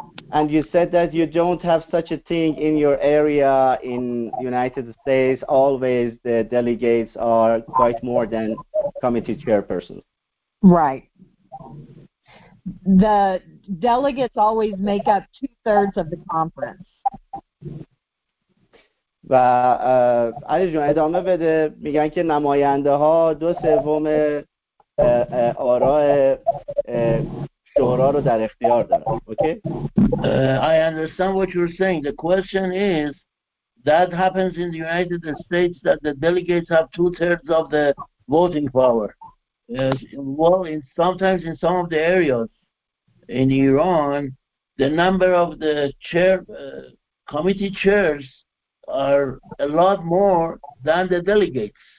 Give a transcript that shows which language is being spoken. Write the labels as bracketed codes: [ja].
[en] And you said that you don't have such a thing in your area in United States. Always the delegates are quite more than committee chairpersons. Right. The delegates always make up 2/3 of the conference. [fa] و علی جون ادامه بده. میگن که نماینده ها 2/3 آراء شورا رو در اختیار دارن. [en] Okay I understand what you're saying. The question is that happens in the United States that the delegates have 2/3 of the voting power. Well, in sometimes in some of the areas in Iran the number of the chair committee chairs are a lot more than the delegates.